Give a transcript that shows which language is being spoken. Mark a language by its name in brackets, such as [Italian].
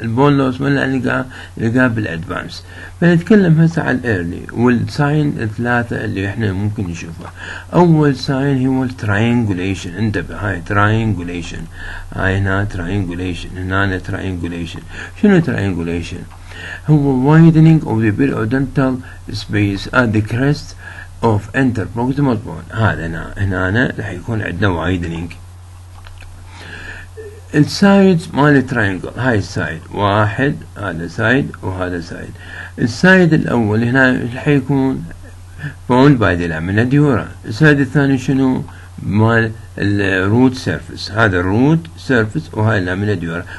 [Arabic] البون لوس ما نلقاه بالادفانس. بنتكلم هسه على الايرلي والساين الثلاثة اللي احنا ممكن نشوفها. اول ساين هو الترينجوليشن، انتبه هاي ترينجوليشن، هاي هنا ترينجوليشن، هنا ترينجوليشن. شنو ترينجوليشن؟ هو [English] widening of the periodontal space at the crest of interproximal bone. [Arabic] هذا هنا رح يكون عندنا widening. السايد مال الترينجل، هاي السايد واحد، هذا سايد وهذا سايد. السايد الاول هنا رح يكون [English] bone by the lamina dura. [Arabic] السايد الثاني شنو؟ مال الروت سيرفس، هذا الروت سيرفس وهاي اللامينا ديورا.